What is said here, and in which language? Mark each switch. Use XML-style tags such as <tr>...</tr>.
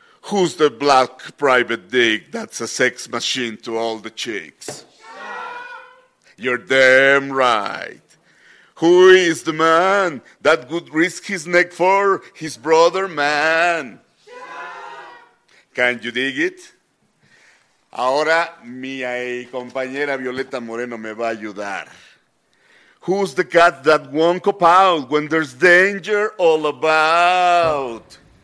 <en>Who's the black private dick that's a sex machine to all the chicks? You're damn right. Who is the man that would risk his neck for his brother, man? Can you dig it?</en> <es>Ahora mi compañera Violeta Moreno me va a ayudar.</es> <en>Who's the cat that won't cop out when there's danger all about?</en>